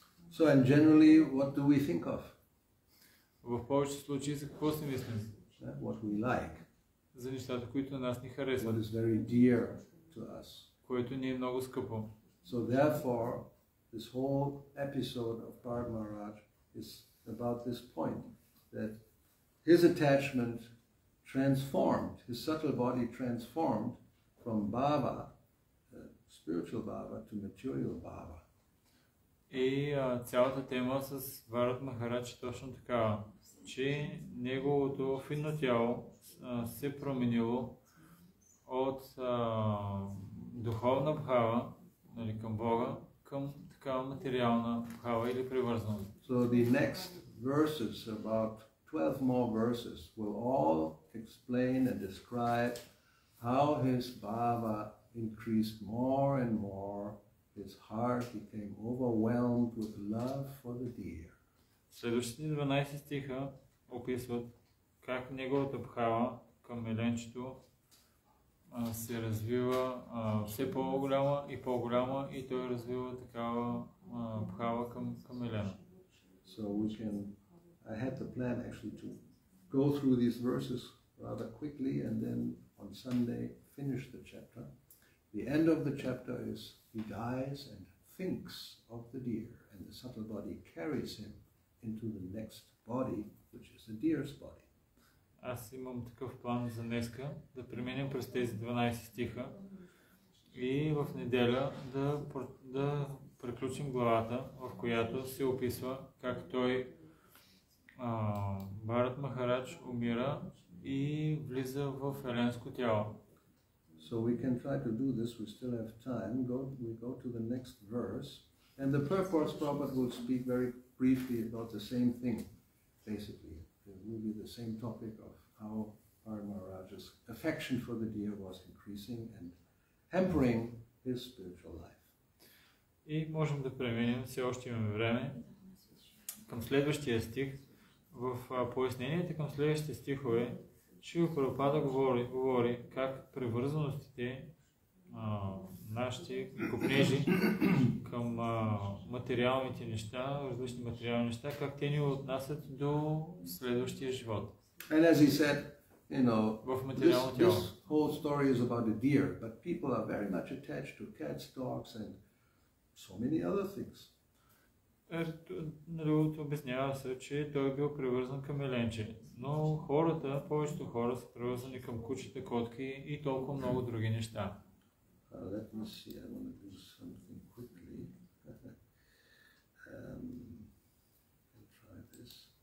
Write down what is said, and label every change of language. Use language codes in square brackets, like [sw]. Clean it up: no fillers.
[en] So and generally, what do we think of? [bg] В повечето случаи, за какво си мислим? [en] What we like. [bg] За нещата, които нас ни харесват. [en] What is very dear to us. [bg] Което ни е много скъпо. [en] So therefore, this whole episode of Bharat Maharaj is about this point, that his attachment transformed, his subtle body transformed from bhava, spiritual bhava, to material bhava. [bg] И цялата тема с Бхарат Махарадж точно така, че неговото финно тяло се променило от духовна бхава, нали, към Бога, към такава материална бхава или привързаност. [en] So the next verses, about 12 more verses, will all explain and describe how his bhava increased more and more, his heart became overwhelmed with love for the deer. [bg] Следващите 12 стиха описват как неговата бхава към еленчето се развива все по-голяма и по-голяма и той развива такава бхава към елена. [en] So we can, I had the plan actually to go through these verses rather quickly and then on Sunday finish the chapter. The end of the chapter is he dies and thinks of the deer and the subtle body carries him into the next body, which is the deer's body. [bg] Аз имам такъв план за днеска, да преминем през тези 12 стиха и в неделя да приключим главата, в която се описва как той Барат Махарадж умира и влиза в еленско тяло. [en] So we can try to do this, we still have time. We go to the next verse and the purport Prabhupada will speak very briefly about the same thing, basically. It will be the same topic of how Bharat Maharaj's affection for the deer was increasing and hampering his spiritual life. [bg] И можем да преминем, все още имаме време, към следващия стих. В поясненията към следващите стихове Шрила Прабхупада говори как привързаностите нашите копнежи към материалните неща, различни материални неща, как те ни отнасят до следващия живот. [en] And as he said, you know, [bg] в материално тяло. [en] This whole story is about a deer, but people are very much attached to cats, dogs and so many other things. [bg] Другото обяснява се, че той е бил привързан към еленче, но хората, повечето хора са привързани към кучета, котки и толкова много други неща. [en] Let me see, I want to do something quickly. I'll try this.